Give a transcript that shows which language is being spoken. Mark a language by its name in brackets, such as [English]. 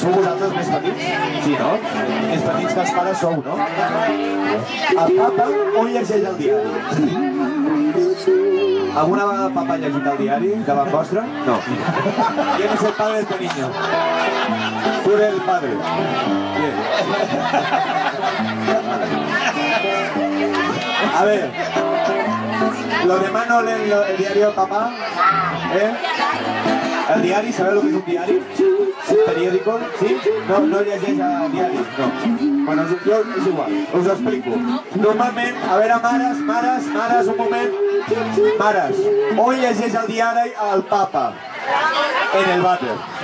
[Catalan] ¿Sou vosaltres més petits? Sí, ¿no? Més petits que els pares sou, ¿no? El papa, on llegeix el diari? ¿Alguna vegada el papa ha llegit el diari davant vostre? No. [Spanish] ¿Quién es el padre de tu niño? Tú eres el padre. Bien. A ver, ¿los demás no leen el diario de papá? ¿Eh? ¿El diario? ¿Sabes lo que es un diario? Sí, sí. periódico? Sí? [Catalan] No, no llegeix a diaris, no. Bueno, jo, és igual, us explico. Normalment, a veure, mares, un moment. Mares, on llegeix el diari al papa? En el vàter.